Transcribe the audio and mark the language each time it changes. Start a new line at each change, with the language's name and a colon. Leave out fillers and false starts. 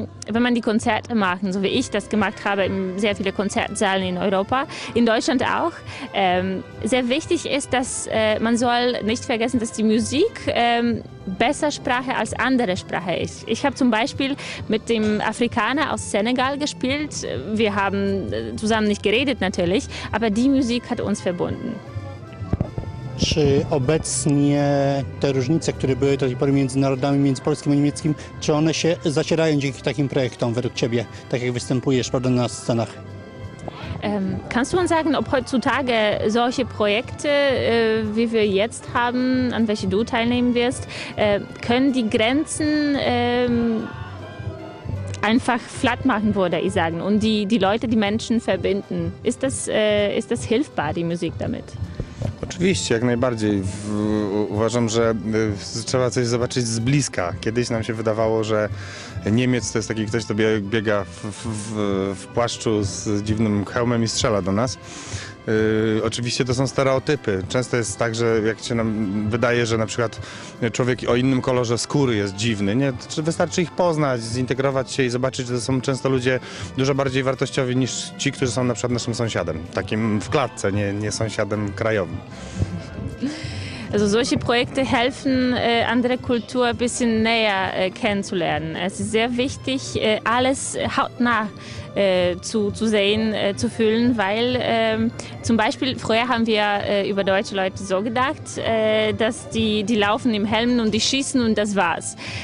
German: wenn man die Konzerte macht, so wie ich das gemacht habe, in sehr vielen Konzertsälen in Europa, in Deutschland auch, sehr wichtig ist, dass man soll nicht vergessen, dass die Musik besser Sprache als andere Sprache ist. Ich habe zum Beispiel mit dem Afrikaner aus Senegal gespielt. Wir haben zusammen nicht geredet natürlich, aber die Musik hat uns verbunden.
Polish: Czy obecnie te różnice, które były do tej pory między narodami, między polskim a niemieckim, czy one się zacierają dzięki takim projektom według Ciebie, tak jak występujesz, prawda, na scenach?
German: Kannst du uns sagen, ob heutzutage solche Projekte, wie wir jetzt haben, an welche du teilnehmen wirst, können die Grenzen einfach flatt machen, würde ich sagen, und die Leute, die Menschen verbinden? Ist das hilfbar, die Musik damit?
Polish: Oczywiście, jak najbardziej. Uważam, że trzeba coś zobaczyć z bliska. Kiedyś nam się wydawało, że Niemiec to jest taki ktoś, kto biega w płaszczu z dziwnym hełmem i strzela do nas. Oczywiście to są stereotypy. Często jest tak, że jak się nam wydaje, że na przykład człowiek o innym kolorze skóry jest dziwny, nie? Wystarczy ich poznać, zintegrować się i zobaczyć, że to są często ludzie dużo bardziej wartościowi niż ci, którzy są na przykład naszym sąsiadem. Takim w klatce, nie sąsiadem krajowym.
German: Also solche Projekte helfen, andere Kultur ein bisschen näher kennenzulernen. Es ist sehr wichtig, alles hautnah zu sehen, zu fühlen, weil zum Beispiel früher haben wir über deutsche Leute so gedacht, dass die laufen im Helm und die schießen und das war's.